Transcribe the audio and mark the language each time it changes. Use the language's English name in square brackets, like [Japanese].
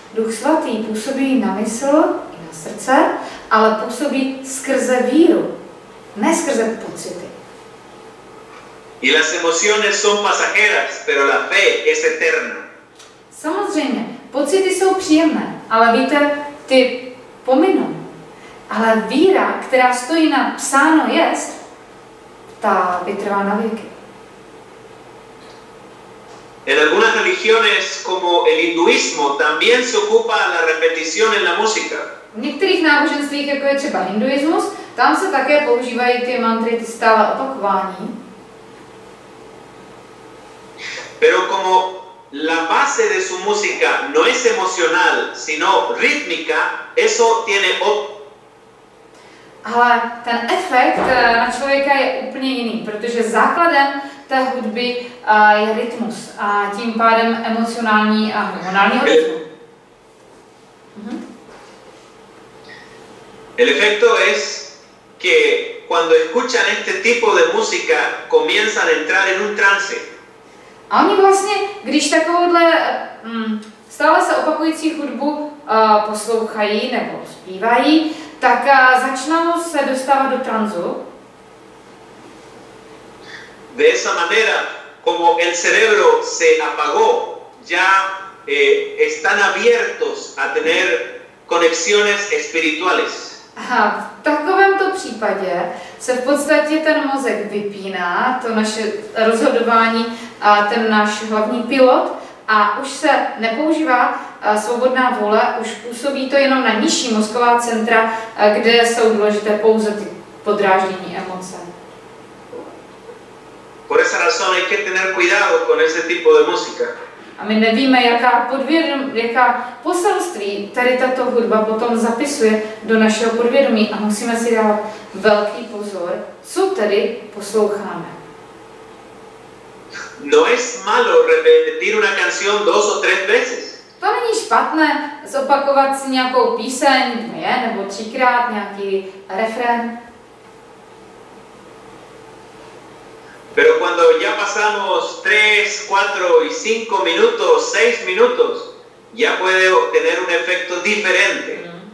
[Czech] Duch Svatý působí na mysl i na srdce, ale působí skrze víru, ne skrze pocity. [Spanish] Y las emociones son pasajeras, pero la fe es eterna. [Czech] Samozřejmě, pocity jsou příjemné, ale víte, ty pominou. Ale víra, která stojí na psáno jest, ta vytrvá na věky. [Spanish] En algunas religiones como el hinduismo también se ocupa la repetición en la música. [Czech] V některých náboženstvích, jako je třeba hinduismus, tam se také používají ty mantry, ty stále opakování. [Spanish] Pero como la base de su música no es emocional, sino rítmica, eso tiene [Czech] ale ten efekt na člověka je úplně jiný, protože základem té hudby je rytmus a tím pádem emocionální a hormonální rytmus. [Spanish] El efecto es que cuando escuchan este tipo de música comienzan a entrar en un trance. [Czech] A oni vlastně, když takovouhle stále se opakující hudbu poslouchají nebo zpívají, tak začnou se dostávat do tranzu. [Spanish] De esa manera, como el cerebro se apagó, ya están abiertos a tener conexiones espirituales. [Czech] Aha, v takovémto případě se v podstatě ten mozek vypíná, to naše rozhodování a ten náš hlavní pilot a už se nepoužívá svobodná vůle, už působí to jenom na nižší mozková centra, kde jsou důležité pouze ty podráždění emoce. [Spanish] Por esa razón hay que tener cuidado con ese tipo de música. [Czech] A my nevíme, jaká poselství tady tato hudba potom zapisuje do našeho podvědomí a musíme si dát velký pozor, co tady posloucháme. [Spanish] No es malo repetir una canción dos o tres veces. [Czech] To není špatné zopakovat si nějakou píseň, nebo třikrát nějaký refrén. [Spanish] Pero cuando ya pasamos 3, 4 y 5 minutos, 6 minutos, ya puede obtener un efecto diferente.